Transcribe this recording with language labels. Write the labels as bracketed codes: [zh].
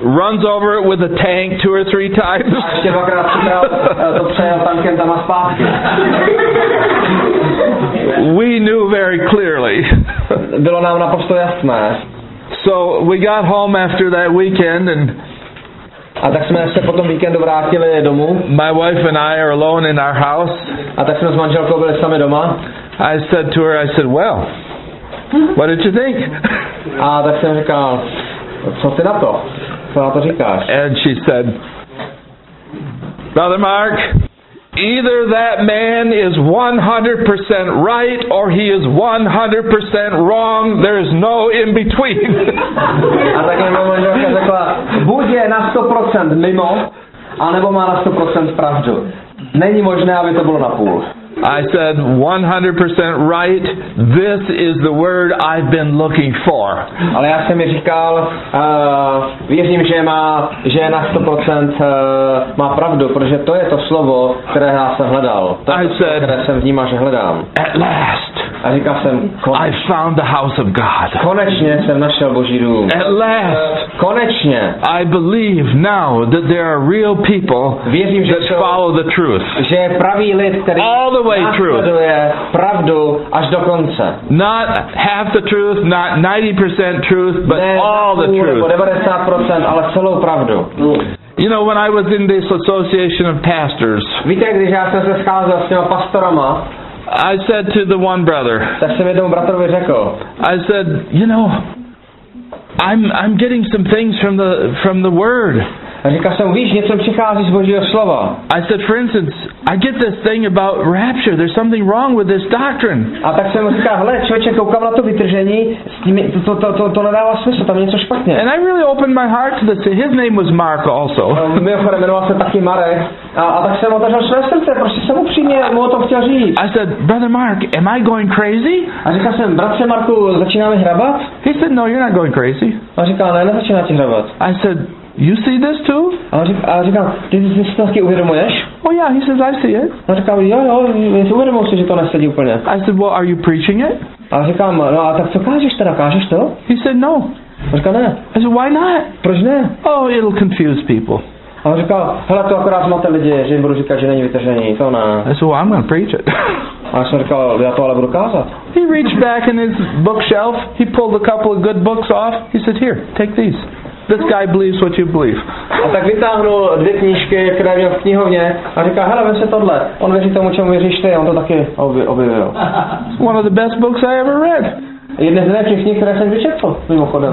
[en] Runs over it with a tank two or three times. [cs] A ještě dvakrát přikrát to přejel tankem tam a zpátky. [en] We knew very clearly. [cs] Bylo nám naprosto jasné. [en] So we got home after that weekend and [cs] a tak jsme se potom víkendu vrátili domů. [en] My wife and I are alone in our house. [cs] A tak jsme s manželkou byli sami doma. [en] I said to her, I said, well, what did you think? [cs] A tak jsem říkal, co ty na to? Co na to říkáš? [en] And she said, Brother Mark, either that man is 100% right or he is 100% wrong. There is no in between. [cs] A tak mi manželka řekla, buď je na 100% mimo, anebo má na 100% pravdu. Není možné, aby to bylo na půl. [en] I said 100% right. This is the word I've been looking for. [cs] Ale já jsem mi říkal, věřím, že je na 100% má pravdu, protože to je to slovo, které já jsem hledal. Které jsem vnímal, že hledám. [en] At last. [cs] A říkal jsem, [en] I found the house of God. [cs] Konečně jsem našel Boží dům. [en] At last. [cs] Konečně. [en] I believe now that there are real people [cs] věřím, [en] that follow the truth. [cs] Že je pravý lid, který následuje pravdu až do konce. [en] Not half the truth, not 90% truth, but [cs] ne [en] all the truth. [cs] Ne 90%, ale celou pravdu. [en] You know, when I was in this association of pastors, [cs] víte, když já jsem se scházel s těma pastorama, [en] I said to the one brother, [cs] tak jsem jednomu bratrovi řekl, [en] I said, you know, I'm getting some things from the word. [cs] A říkal jsem, víš, něco přichází z Božího slova. [en] I said, for instance, I get this thing about rapture. There's something wrong with this doctrine. [cs] A tak jsem říkal, hele, člověče, koukám na to vytržení, s tím to nedává smysl, tam je něco špatně. [en] And I really opened my heart to this. His name was Mark also. [cs] Mimochodem, jmenoval se taky Marek. A tak jsem otevřel své srdce, prostě jsem upřímně mu o tom chtěl říct. [en] I said, brother Mark, am I going crazy? [cs] A říkal jsem, bratře Marku, začínáme hrabat? [en] He said, no, you're not going crazy. [cs] A říkal, ne, nezačínáte hrabat. [en] I said, you see this too? [cs] A říkal, ty si to taky uvědomuješ? [en] Oh yeah, he says, I see it. [cs] A říkal, jo, si uvědomuji si, že to nesedí úplně. [en] I said, well, are you preaching it? [cs] A říkám, no a tak co kážeš teda, kážeš to? [en] He said, no. [cs] A říkal, ne. [en] I said, why not? [cs] Proč ne? [en] Oh, it'll confuse people. [cs] A on říkal, hele, to akorát máte lidi, že jim budu říkat, že není vytržení, to ne. [en] I said, well, I'm gonna preach it. [cs] A já jsem říkal, já to ale budu kázat. [en] He reached back in his bookshelf, he pulled a couple of good books off, he said, here, take these. This guy believes what you believe. [cs] A tak vytáhnul dvě knížky, které měl v knihovně, a říká, hele, vem se tohle. On věří tomu, čemu věříš ty, on to taky objevil. [en] One of the best books I ever read. [cs] Jedna z nejlepších knih, které jsem vyčetl, mimochodem.